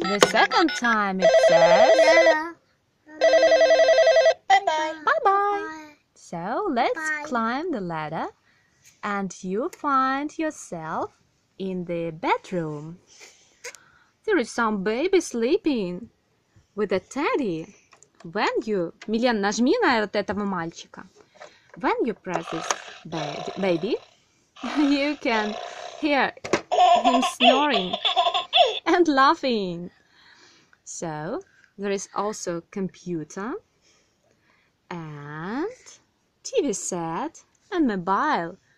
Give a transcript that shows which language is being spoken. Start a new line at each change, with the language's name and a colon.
English: The second time it says bye bye. So let's Bye. Climb the ladder and you find yourself in the bedroom. There is some baby sleeping with a teddy. When you,
Russian: Милен, нажми на вот этого мальчика.
English: When you press this baby, you can hear him snoring and laughing. So there is also a computer and TV set and mobile.